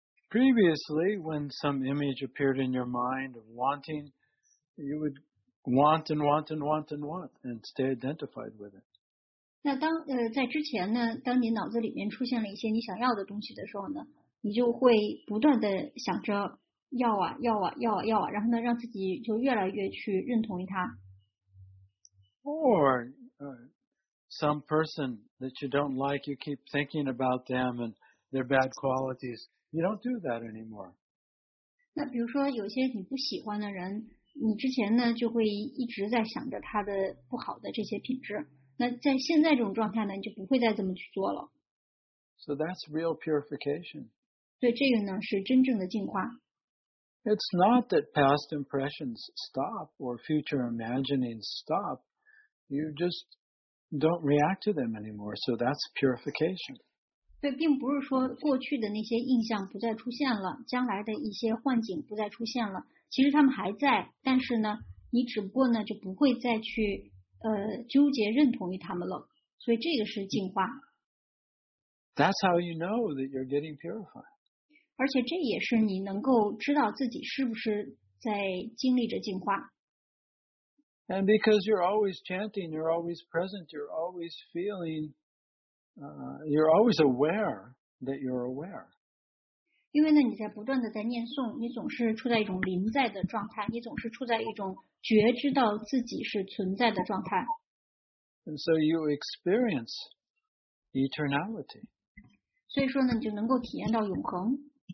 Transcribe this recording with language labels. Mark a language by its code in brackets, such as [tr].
[en] Previously, when some image appeared in your mind of wanting, you would want and want and want and want and stay identified with it. [zh] 那当在之前呢，当你脑子里面出现了一些你想要的东西的时候呢，你就会不断的想着要啊要啊要啊要啊，然后呢，让自己就越来越去认同于它。 [en] Or some person that you don't like, you keep thinking about them and their bad qualities. You don't do that anymore. [zh] 那比如说有些你不喜欢的人，你之前呢就会一直在想着他的不好的这些品质。那在现在这种状态呢，你就不会再这么去做了。 [en] So that's real purification. [zh] 对，这个呢是真正的净化。 [en] It's not that past impressions stop or future imaginings stop. You just don't react to them anymore. So that's purification. [zh] 对，并不是说过去的那些印象不再出现了，将来的一些幻景不再出现了。其实他们还在，但是呢，你只不过呢就不会再去纠结认同于他们了，所以这个是净化。 [en] That's how you know that you're getting purified. [zh] 而且这也是你能够知道自己是不是在经历着净化。 [en] And because you're always chanting, you're always present, you're always feeling, you're always aware that you're aware. [zh] 因为呢，你在不断的在念诵，你总是处在一种临在的状态，你总是处在一种觉知到自己是存在的状态。 [en] And so you experience eternality. [zh] 所以说呢，你就能够体验到永恒。